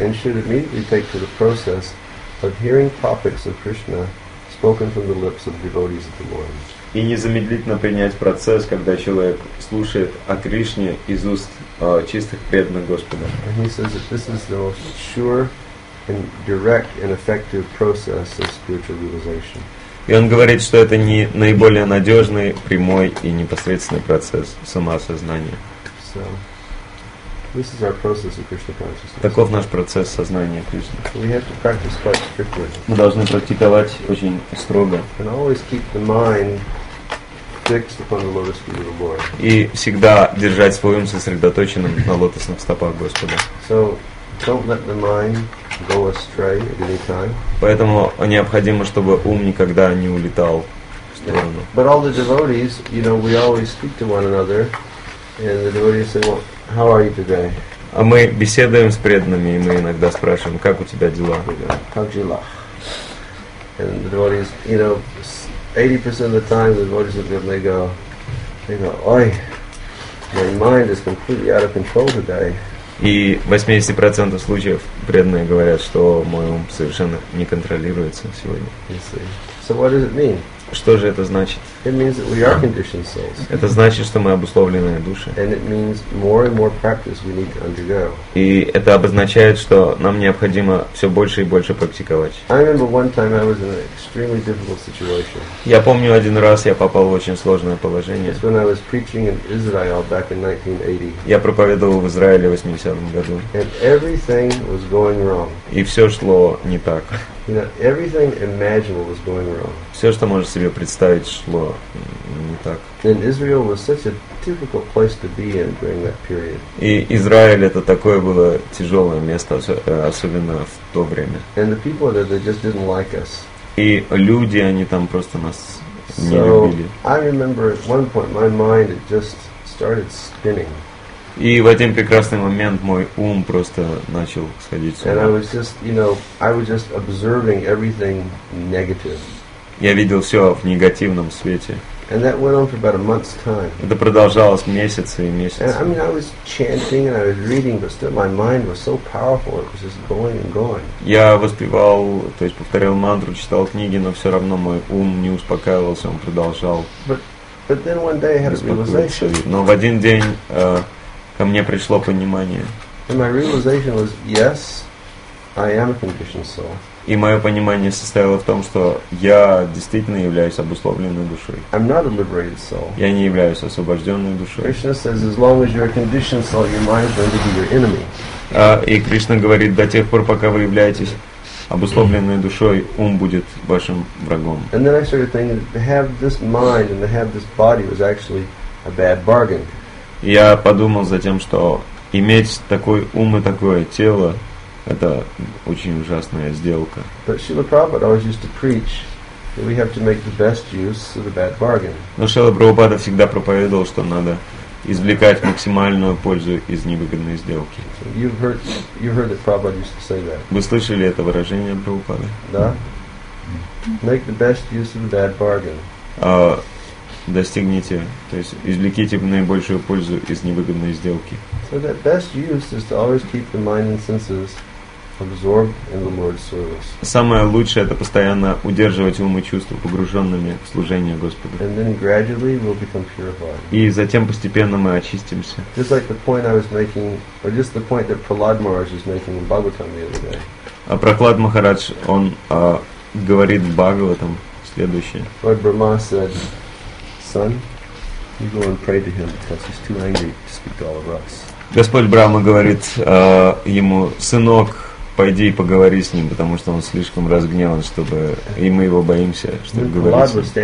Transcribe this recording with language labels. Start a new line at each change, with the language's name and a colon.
English: And should immediately take to the process of hearing topics of Krishna spoken from the lips of devotees of the Lord.
Russian: И незамедлительно принять процесс, когда человек слушает о Кришне из уст чистых преданных Господа.
English: And he says that this is the most sure and direct and effective process of spiritual realization.
Russian: И он говорит, что это не наиболее надежный, прямой и непосредственный процесс самоосознания.
English: So, this is our process of Krishna consciousness.
Russian: Таков наш процесс сознания Кришны.
English: We have to practice quite strictly.
Russian: Мы должны практиковать очень строго.
English: And always keep the mind fixed upon the lotus feet of the Lord.
Russian: И всегда держать свой ум сосредоточенным на лотосных стопах Господа.
English: So, don't let the mind go astray at any time.
Russian: Поэтому необходимо, чтобы ум никогда не улетал в сторону.
English: But all the devotees, you know, we always speak to one another, and the devotees say, "Well, how are you today?"
Russian: А мы беседуем с преданными, и мы иногда спрашиваем, как у тебя дела?
English: How are you? And the devotees, you know, 80% of the time, the devotees of them, they go, "Oi, my mind is completely out of control today."
Russian: И 80% случаев преданные говорят, что мой ум совершенно не контролируется сегодня.
English: So what does it mean?
Russian: Что же это значит?
English: It means that we are conditioned souls.
Russian: Это значит, что мы обусловленные души.
English: And it means more and more practice we need to undergo.
Russian: И это обозначает, что нам необходимо все больше и больше практиковать.
English: I remember one time I was in an extremely difficult situation.
Russian: Я помню, один раз я попал в очень сложное положение.
English: It's when I was preaching in Israel back in 1980.
Russian: Я проповедовал в Израиле в 80-м году.
English: And everything was going wrong.
Russian: И все шло не так.
English: You know, everything imaginable was going wrong.
Russian: Все, что можешь себе представить, шло не так.
English: And Israel was such a difficult place to be in during that period.
Russian: И Израиль — это такое было тяжелое место, особенно в то время.
English: And the people there, they just didn't like us.
Russian: И люди, они там просто нас so не любили.
English: I remember at one point my mind it just started spinning.
Russian: И в один прекрасный момент мой ум просто начал сходить с ума.
English: And I was just, you know, I was just observing everything negative.
Russian: Я видел все в негативном свете.
English: And that went on for about a month's time.
Russian: Это продолжалось месяц и месяц.
English: And, I mean, I was chanting and I was reading, but still my mind was so powerful, it was just going and going.
Russian: Я воспевал, то есть повторял мантру, читал книги, но все равно мой ум не успокаивался, он продолжал.
English: But then one day I had a realization.
Russian: Но в один день ко мне пришло понимание.
English: And my realization was, yes, I am a conditioned soul.
Russian: И мое понимание состояло в том, что я действительно являюсь обусловленной душой.
English: I'm not a liberated soul.
Russian: Я не являюсь освобожденной душой.
English: Krishna says, as long as you're a conditioned soul, your mind is going to be your enemy.
Russian: И Кришна говорит, до тех пор, пока вы являетесь обусловленной душой, ум будет вашим врагом.
English: And then I started thinking, to have this mind and to have this body was actually a bad bargain.
Russian: Я подумал затем, что иметь такой ум и такое тело — это очень ужасная сделка.
English: But Srila Prabhupada always used to preach that we have to make the best use of the bad bargain.
Russian: Но Шрила Прабхупада всегда проповедовал, что надо извлекать максимальную пользу из невыгодной сделки.
English: You've heard that Prabhupada used to say that.
Russian: Вы слышали это выражение Прабхупады? Да.
English: Make the best use of the bad bargain.
Russian: Достигните, то есть извлеките наибольшую пользу из невыгодной сделки.
English: So that best use is to always keep the mind and senses absorbed in the Lord's service.
Russian: Самое лучшее — это постоянно удерживать ум и чувства погруженными в служение Господу.
English: And then gradually we'll become purified.
Russian: И затем постепенно мы очистимся.
English: Just like the point I was making, or just the point that Prahlad Maharaj was making in Bhagavatam the other day.
Russian: А Прахлад Махарадж, он говорит в Бхагаватам следующее.
English: Lord Brahma said, son, you go and pray to him because he's too angry to speak to all of us.
Russian: Господь Брахма говорит ему, сынок, пойди и поговори с ним, потому что он слишком разгневан, чтобы, и мы его боимся, чтобы говорить.